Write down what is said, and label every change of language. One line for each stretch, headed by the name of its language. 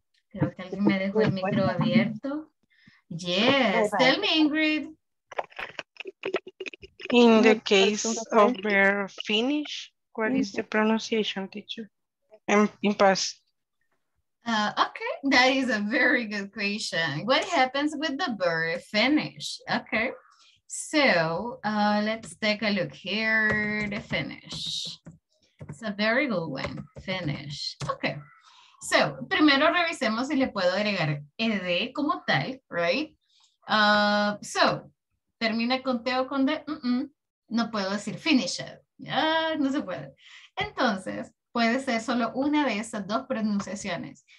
Spanish: Creo que alguien me dejó el micro abierto.
English: Yes, tell me, Ingrid. In the case of verb finish, what is the pronunciation, teacher? In past. Okay, that is a very good question. What happens with the verb finish? Okay. So, let's take a look here, the finish. It's a very good one, finish.
Spanish: Okay, so, primero revisemos si le puedo agregar ed como tal, right? So, termina con T o con D, no puedo decir finish it. No se puede. Entonces, puede ser solo una de esas dos pronunciaciones.